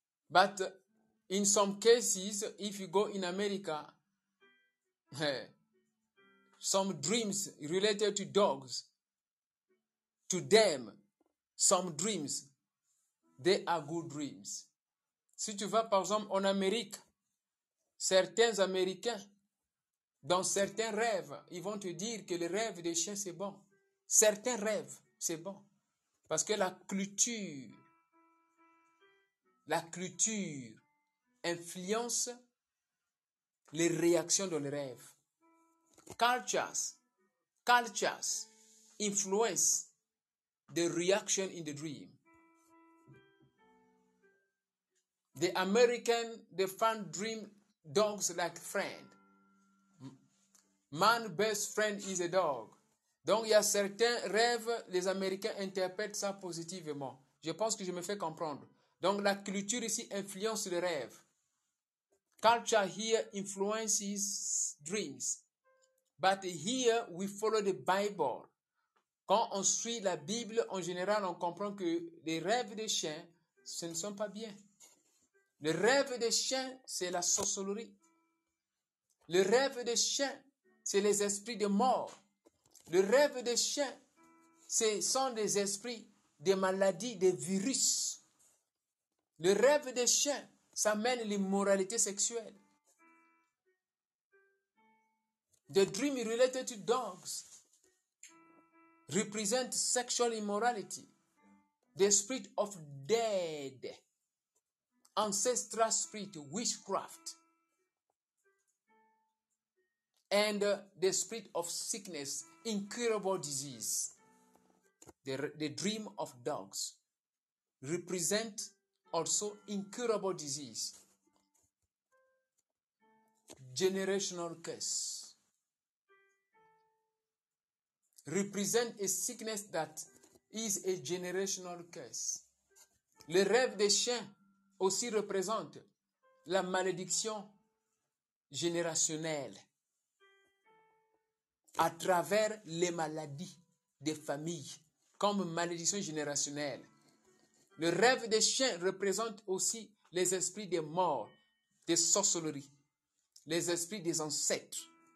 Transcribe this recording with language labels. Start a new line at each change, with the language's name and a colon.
English: But in some cases, if you go in America, some dreams related to dogs, to them, some dreams, they are good dreams.
French: Si tu vas par exemple en Amérique, certains Américains, dans certains rêves, ils vont te dire que le rêve des chiens, c'est bon. Certains rêves, c'est bon. Parce que la culture influence les réactions dans les rêves.
English: Cultures influence the reaction in the dream. The American, they find dream dogs like friend. Man best friend is a dog.
French: Donc il y a certains rêves, les Américains interprètent ça positivement. Je pense que je me fais comprendre. Donc la culture ici influence le rêve.
English: Culture here influences dreams. But here we follow the Bible.
French: Quand on suit la Bible, en général, on comprend que les rêves des chiens, ce ne sont pas bien. Le rêve des chiens, c'est la sorcellerie. Le rêve des chiens, c'est les esprits de mort. Le rêve des chiens, ce sont des esprits de maladies, des virus. Le rêve des chiens, ça mène l'immoralité sexuelle.
English: The dream related to dogs represent sexual immorality. The spirit of dead, ancestral spirit, witchcraft, and the spirit of sickness, incurable disease. The dream of dogs represent also incurable disease, generational curse, represent a sickness that is a generational curse.
French: Le rêve des chiens aussi représente la malédiction générationnelle à travers les maladies des familles comme malédiction générationnelle. Le rêve des chiens représente aussi les esprits des morts, des sorcelleries, les esprits des ancêtres.